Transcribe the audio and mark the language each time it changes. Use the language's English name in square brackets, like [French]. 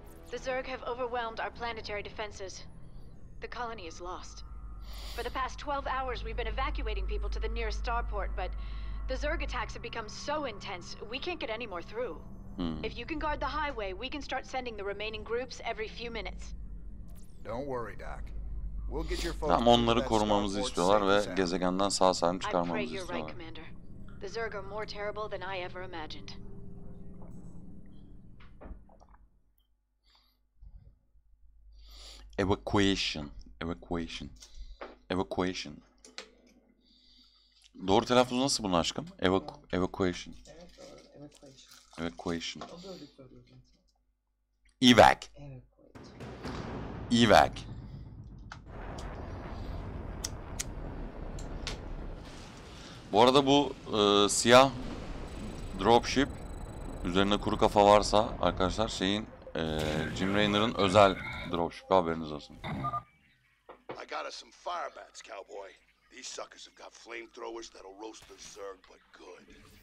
[English] The Zerg have overwhelmed our planetary defenses. The colony is lost. For the past 12 hours we've been evacuating people to the nearest starport, but the Zerg attacks have become so intense, we can't get any more through. If you can guard the highway, we can start sending the remaining groups every few minutes. Don't worry, doc. We'll get your [Turkish] phone. Tam onları korumamızı istiyorlar ve gezegenden sağ salim çıkarmamızı istiyorlar. [English] I pray you're right, Commander. The Zerg are more terrible than I ever imagined. Evacuation. Evacuation. Evacuation. [Turkish] Doğru telaffuz nasıl bunu aşkım? [English] Evacuation. Evacuation. Evac. Evac. [Turkish] Bu arada bu siyah dropship üzerinde kuru kafa varsa arkadaşlar şeyin Jim Raynor'ın özel dropship, haberiniz olsun. [English] I got us some fire bats, cowboy. These suckers have got flamethrowers that'll roast the Zerg but good.